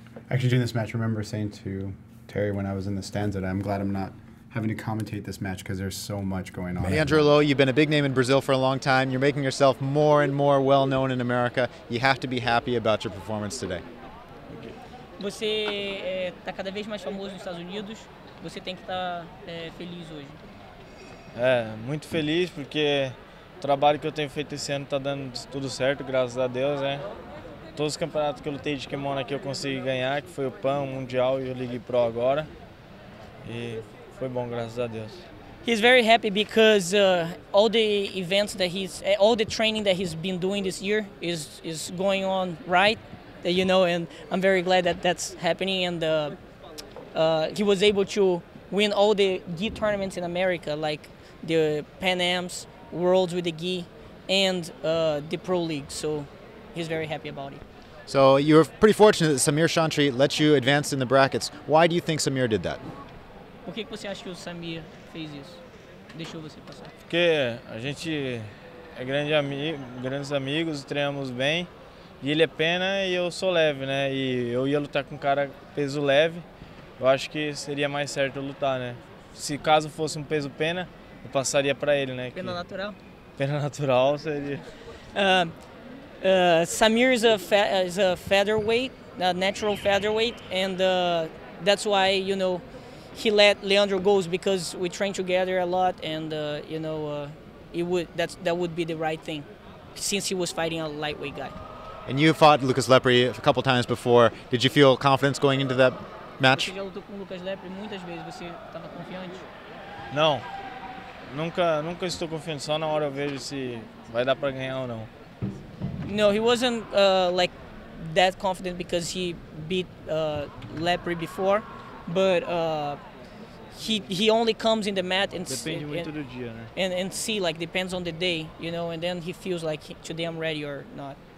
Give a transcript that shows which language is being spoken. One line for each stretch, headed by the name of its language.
English: Actually, during this match, I remember saying to Terry when I was in the stands that I'm glad I'm not having to commentate this match because there's so much going on. Leandro Lowe, you've been a big name in Brazil for a long time. You're making yourself more and more well-known in America. You have to be happy about your performance today.
Portuguese: Você está cada vez mais famoso nos Estados Unidos. Você tem que estar feliz hoje. É, muito feliz porque o trabalho que eu tenho feito esse ano está dando tudo certo, graças a Deus, né? Todos os campeonatos que eu lutei de kimono aqui eu consegui ganhar, que foi o PAN, o Mundial e o League Pro agora. E foi bom, graças a Deus.
English: He's very happy because all the events that he's, all the training that he's been doing this year is going on right, you know, and I'm very glad that that's happening and he was able to win all the gi tournaments in America, like the Pan Ams, Worlds with the Gi, and the Pro League, so he's very happy about it. So you were pretty fortunate that Samir Chantry let you advance in the brackets. Why do you think Samir did that?
Portuguese: Por que você acha que o Samir fez isso? Deixou você passar. Porque a gente é grande amigo, grandes amigos, treinamos bem. E ele é pena e eu sou leve, né? E eu ia lutar com um cara peso leve. Eu acho que seria mais certo eu lutar, né? Se caso fosse um peso pena, eu passaria para ele, né? Pena que... natural. Pena natural seria.
English: Samir is a featherweight, a natural featherweight, and that's why, you know, he let Leandro go because we train together a lot, and you know, that would be the right thing, since he was fighting a lightweight guy. And you fought Lucas Lepre a couple times before. Did you feel confidence going into that match?
Portuguese: Você já lutou com Lucas Lepre muitas vezes. Você estava confiante? Não. Nunca estou confiante. Só na hora eu vejo se vai dar para ganhar ou não.
English: No, he wasn't like that confident because he beat Lepre before, but he only comes in the mat and see, like, depends on the day, you know, and then he feels like today I'm ready or not.